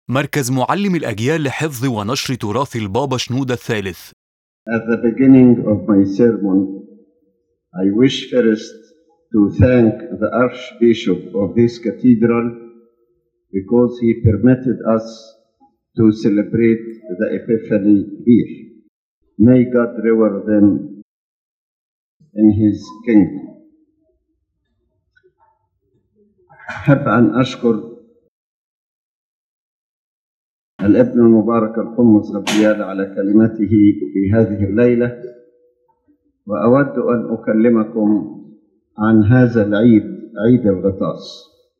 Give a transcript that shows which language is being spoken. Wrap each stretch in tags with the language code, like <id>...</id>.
<ar>مركز معلم الأجيال لحفظ ونشر تراث البابا شنودة الثالث.</ar> <en>At the beginning of my sermon, I wish first to thank the Archbishop of this cathedral because he permitted us to celebrate the Epiphany here. May God reward them in his kingdom.</en> <ar>أحب أن أشكر الابن المبارك القمص غبريال على كلمته في هذه الليلة، وأود أن أكلمكم عن هذا العيد، عيد الغطاس.</ar>